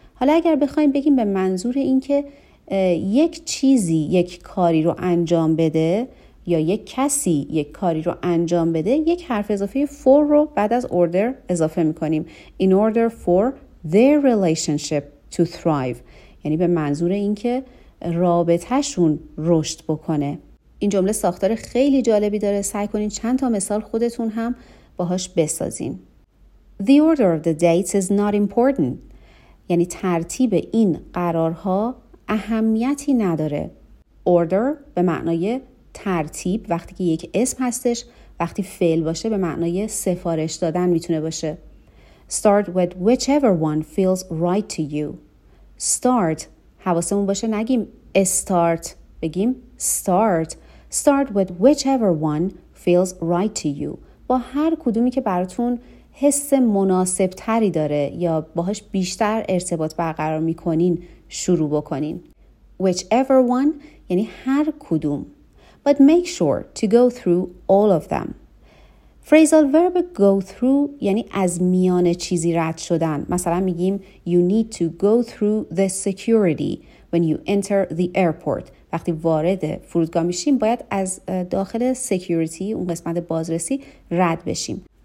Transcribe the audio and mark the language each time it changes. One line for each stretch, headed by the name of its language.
Persian: حالا اگر بخوایم بگیم به منظور اینکه یک چیزی یک کاری رو انجام بده یا یک کسی یک کاری رو انجام بده، یک حرف اضافه for رو بعد از order اضافه میکنیم.
English: In order for their relationship to thrive.
Persian: یعنی به منظور اینکه رابطهشون رشد بکنه. این جمله ساختار خیلی جالبی داره. سعی کنین چند تا مثال خودتون هم باهاش بسازین.
English: The order of the dates is not important.
Persian: یعنی ترتیب این قرارها اهمیتی نداره. Order به معنای ترتیب، وقتی که یک اسم هستش، وقتی فعل باشه به معنای سفارش دادن میتونه باشه.
English: Start with whichever one feels right to you.
Persian: Start، حواسمون باشه نگیم start، بگیم start.
English: Start with whichever one feels right to you.
Persian: با هر کدومی که براتون حس مناسب تری داره یا باهاش بیشتر ارتباط برقرار میکنین شروع بکنین. Whichever one یعنی هر کدوم.
English: But make sure to go through all of them.
Persian: Phrasal verb go through یعنی از میان چیزی رد شدن. مثلا میگیم
English: you need to go through the security when you enter the airport.
Persian: وقتی وارد فرودگاه میشیم باید از داخل security، اون قسمت بازرسی، رد بشیم.